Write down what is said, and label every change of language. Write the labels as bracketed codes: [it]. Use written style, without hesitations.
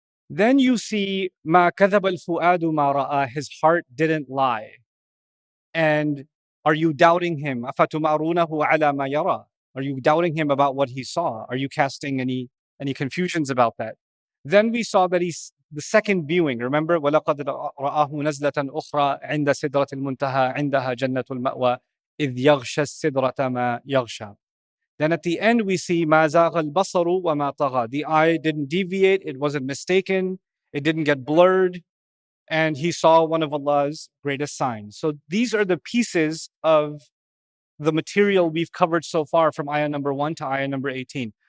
[en] Then you see, [ar] مَا كَذَبَ الْفُؤَادُ مَا رَأَى. [en] His heart didn't lie. And are you doubting him? [ar] أَفَتُمَارُونَهُ عَلَى مَا يَرَى. [en] Are you doubting him about what he saw? Are you casting any confusions about that? Then we saw that he's the second viewing. Remember, [ar] وَلَقَدْ رَآهُ نَزْلَةً أُخْرَى عِنْدَ سِدْرَةِ الْمُنْتَهَى عِنْدَهَا جَنَّةُ الْمَأْوَى إِذْ يَغْشَى السِّدْرَةَ مَا يَغْشَى. [en] Then at the end we see [ar] مَا زَاغَ الْبَصَرُ وَمَا طَغَى. [en] The eye didn't deviate. It wasn't mistaken. It didn't get blurred. And he saw one of Allah's greatest signs. So these are the pieces of the material we've covered so far from ayah number 1 to ayah number 18.